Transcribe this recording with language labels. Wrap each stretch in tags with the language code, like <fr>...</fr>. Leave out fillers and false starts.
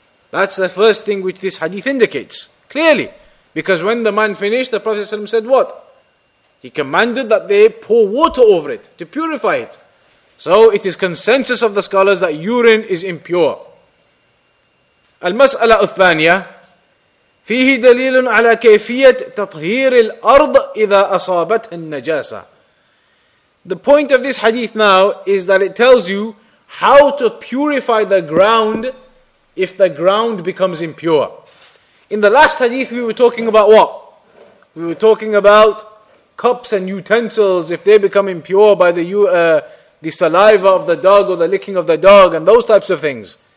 <en>That's the first thing which this hadith indicates, clearly. Because when the man finished, the Prophet ﷺ said what? He commanded that they pour water over it, to purify it. So it is consensus of the scholars that urine is impure.</en> <ar>Al-Mas'ala al-Thaniya. فيه دليل على كيفية تطهير الأرض إذا أصابتها النجاسة.</ar> <en>The point of this hadith now is that it tells you how to purify the ground if the ground becomes impure. In the last hadith we were talking about what? We were talking about cups and utensils, if they become impure by the saliva of the dog or the licking of the dog and those types of things.</en>